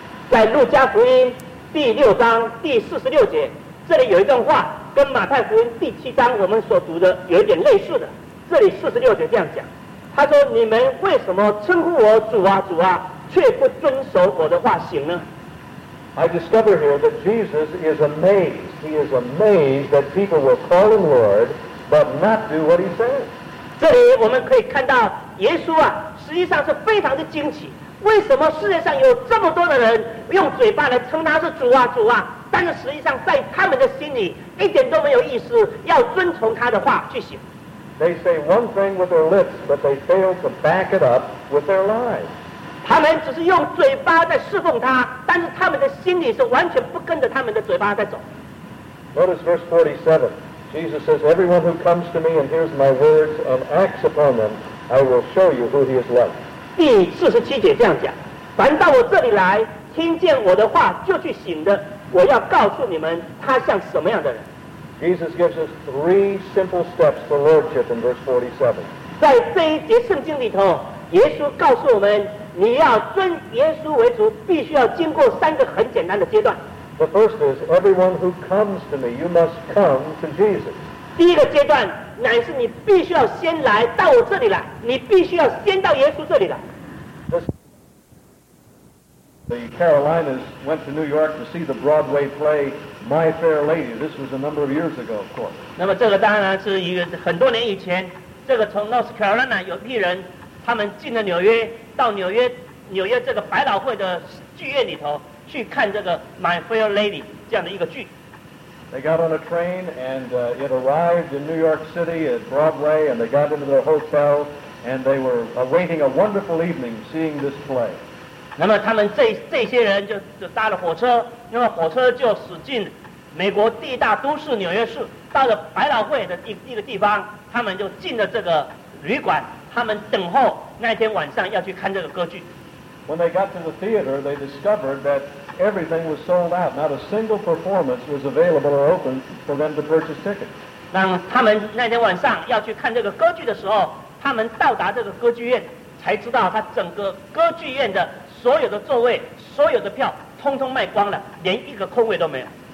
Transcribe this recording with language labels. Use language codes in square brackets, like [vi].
[zh] 在路加福音第六章第四十六节，这里有一段话跟马太福音第七章我们所读的有一点类似的，这里四十六节这样讲。他说：“你们为什么称呼我主啊，主啊，却不遵守我的话行呢？” [en] I discover here that Jesus is amazed. He is amazed that people will call him Lord, but not do what he says. [zh] 这里我们可以看到，耶稣啊，实际上是非常的惊奇。为什么世界上有这么多的人用嘴巴来称他是主啊，主啊，但是实际上在他们的心里一点都没有意思要遵从他的话去行。 [en] They say one thing with their lips, but they fail to back it up with their lives. [zh] 他们只是用嘴巴在侍奉他，但是他们的心里是完全不跟着他们的嘴巴在走。 [en] Notice verse 47. Jesus says, "Everyone who comes to me and hears my words and acts upon them, I will show you who he is like." [zh] 第四十七节这样讲：凡到我这里来，听见我的话就去行的，我要告诉你们他像什么样的人。 [en] Jesus gives us three simple steps to lordship in verse 47. [zh] 在这一节圣经里头，耶稣告诉我们，你要尊耶稣为主，必须要经过三个很简单的阶段。 [en] The first is everyone who comes to me, you must come to Jesus. [zh] 第一个阶段乃是你必须要先来到我这里来，你必须要先到耶稣这里来。 [en] The Carolinas went to New York to see the Broadway play My Fair Lady. This was a number of years ago, of course. [zh] 那么这个当然是一个很多年以前，这个从 North Carolina 有一批人，他们进了纽约，到纽约这个百老汇的剧院里头去看这个 My Fair Lady 这样的一个剧。 [en] They got on a train and it arrived in New York City at Broadway, and they got into their hotel and they were awaiting a wonderful evening seeing this play. [zh] 那么他们这些人就搭了火车，那么火车就驶进美国第一大都市纽约市，到了百老汇的一个地方，他们就进了这个旅馆，他们等候那天晚上要去看这个歌剧。 [en] When they got to the theater, they discovered that everything was sold out. Not a single performance was available or open for them to purchase tickets. [zh] 当他们那天晚上要去看这个歌剧的时候，他们到达这个歌剧院，才知道他整个歌剧院的所有的座位、所有的票，通通卖光了，连一个空位都没有。